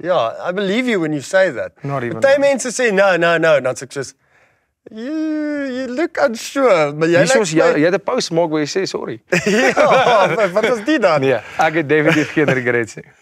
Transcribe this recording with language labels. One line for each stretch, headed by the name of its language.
English: Yeah, I believe you when you say that. Not even one. But they mean to say no, not success. You look unsure, but
Afrikaans: jy soos, jy het 'n pause maak waar jy sê, sorry. Ja, wat is die dan? Nee, ek het definitief geen regrets.